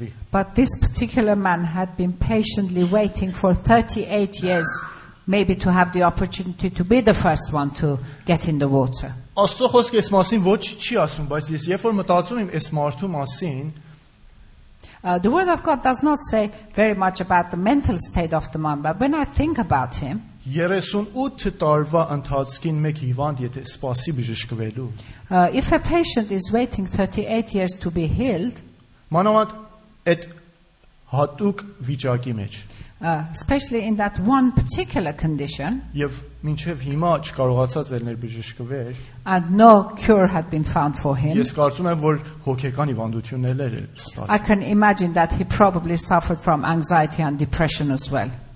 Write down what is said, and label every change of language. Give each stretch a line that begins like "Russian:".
English: But this particular man had been patiently waiting for 38 years, maybe to have the opportunity to be the first one to get in the water. The Word of God does not say very much about the mental state of the man, but when I think about him,
Armenian: 38 տարվա ընթացքին մեկ հիվանդ եթե սպասի բժշկվելու,
English: if a patient is waiting 38 years to be healed,
Armenian: մանավանդ այդ հատուկ վիճակի մեջ,
English: especially in that one particular condition,
Armenian: եւ մինչեւ հիմա չկարողացած է ներ բժշկվել,
English: and no cure had been found for him,
Armenian: ես կարծում եմ, որ հոգեկան հիվանդություն էլ էր ստացել.
English: I can imagine that he probably suffered from anxiety and depression as well.